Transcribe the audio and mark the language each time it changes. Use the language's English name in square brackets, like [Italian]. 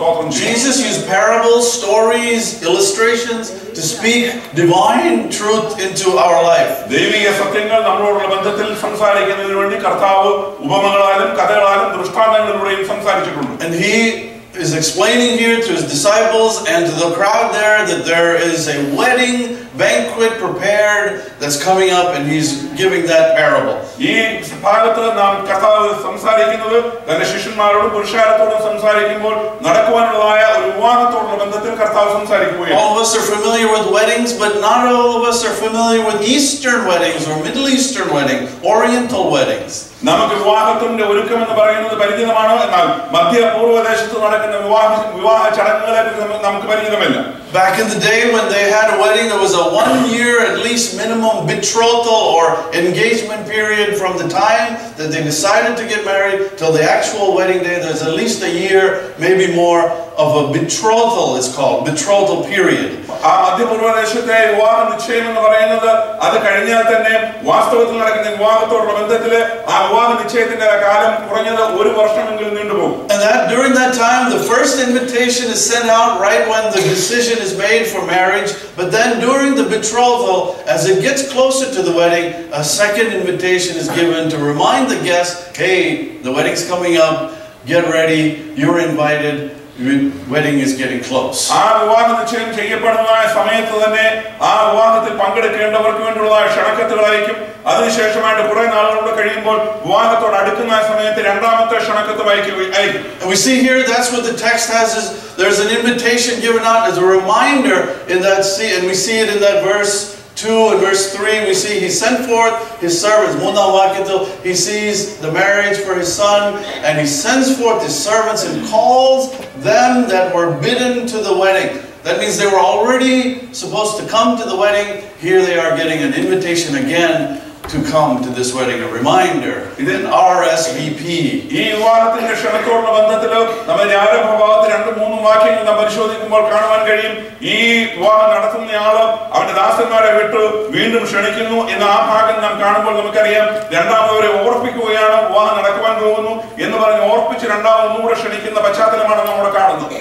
[English] Jesus used parables, stories, illustrations to speak divine truth into our life. [Malayalam] ദൈവിക സത്യങ്ങൾ നമ്മളോടുള്ള ബന്ധത്തിൽ സംസാരിക്കുന്നതിന് വേണ്ടി കർത്താവ് ഉപമകളാലും കഥകളാലും ദൃഷ്ടാന്തങ്ങളിലൂടെയും സംസാരിച്ചിട്ടുണ്ട്. [English] And he is explaining here to his disciples and to the crowd there that there is a wedding banquet prepared that's coming up, and he's giving that parable. [Malayalam] ഈ സഭയത്ത് നാം കർത്താവ് സംസാരിക്കുന്നത് തന്റെ ശിഷ്യന്മാരോടും പുരുഷാരത്തോടും സംസാരിക്കുമ്പോൾ നടക്കുവാനുള്ളതായ ഒരു വിവാഹത്തോടുള്ള ബന്ധത്തിൽ കർത്താവ് സംസാരിക്കുകയാണ്. [English] All of us are familiar with weddings, but not all of us are familiar with Eastern weddings or Middle Eastern weddings, Oriental weddings. [Malayalam] നമുക്ക് വിവാഹത്തിന്റെ ഒരുക്കം എന്ന് പറയുന്നത് പരിചിതമാണ്, എന്നാൽ മധ്യപൂർവദേശത്ത് നടക്കുന്ന വിവാഹ ചടങ്ങുകളെ പറ്റി നമുക്ക് പരിചിതമല്ല. [English] Back in the day when they had a wedding, it was a 1 year at least minimum betrothal or engagement period from the time that they decided to get married till the actual wedding day. There's at least a year, maybe more, of a betrothal, it's called, betrothal period. [Malayalam] മധ്യപൂർവദേശത്തെ വിവാഹ നിശ്ചയം എന്ന് പറയുന്നത് അത് കഴിഞ്ഞാൽ തന്നെ വാസ്തവത്തിൽ നടക്കുന്ന വിവാഹത്തോടുള്ള ബന്ധത്തില് ആ വിവാഹ നിശ്ചയത്തിന്റെ കാലം കുറഞ്ഞത് ഒരു വർഷമെങ്കിലും നീണ്ടുപോകും. [English] And that, during that time, the first invitation is sent out right when the decision is made for marriage, but then during the betrothal, as it gets closer to the wedding, a second invitation is given to remind the guests, hey, the wedding's coming up, get ready, you're invited. Wedding is getting close. [Malayalam] ആ വിവാഹനിശ്ചയം ചെയ്യപ്പെടുന്ന സമയത്ത് തന്നെ ആ വിവാഹത്തിൽ പങ്കെടുക്കേണ്ടവർക്ക് വേണ്ടിയുള്ള ക്ഷണക്കത്തുകൾ അയക്കും. അതിനുശേഷമായിട്ട് കുറെ നാളുകൾ കഴിയുമ്പോൾ വിവാഹത്തോട് അടുക്കുന്ന സമയത്ത് രണ്ടാമത്തെ ക്ഷണക്കത്ത് അയക്കും. [English] We see here that's what the text has is there's an invitation given out as a reminder in that scene, and we see it in that verse 2 and verse 3. We see he sent forth his servants. [Malayalam] മൂന്നാം വാക്യത്തിൽ [English] he sees the marriage for his son and he sends forth his servants and calls them that were bidden to the wedding. That means they were already supposed to come to the wedding. Here they are getting an invitation again to come to this wedding, a reminder. Then RSVP. [Malayalam] ഈ വിവാഹത്തിന്റെ ക്ഷണത്തോടുള്ള ബന്ധത്തിൽ നമ്മൾ ആരംഭ ഭാഗത്ത് രണ്ടും മൂന്നും വാക്യങ്ങൾ നാം പരിശോധിക്കുമ്പോൾ കാണുവാൻ കഴിയും, ഈ വിവാഹം നടത്തുന്ന ആള് അവന്റെ ദാസന്മാരെ വിട്ട് വീണ്ടും ക്ഷണിക്കുന്നു എന്ന ആ ഭാഗം നാം കാണുമ്പോൾ നമുക്കറിയാം, രണ്ടാമതവരെ ഓർപ്പിക്കുകയാണ് വിവാഹം നടക്കുവാൻ പോകുന്നു എന്ന് പറഞ്ഞ് ഓർപ്പിച്ച് രണ്ടാമതൊന്നുകൂടെ ക്ഷണിക്കുന്ന പശ്ചാത്തലമാണ് നമ്മൾ കാണുന്നത്.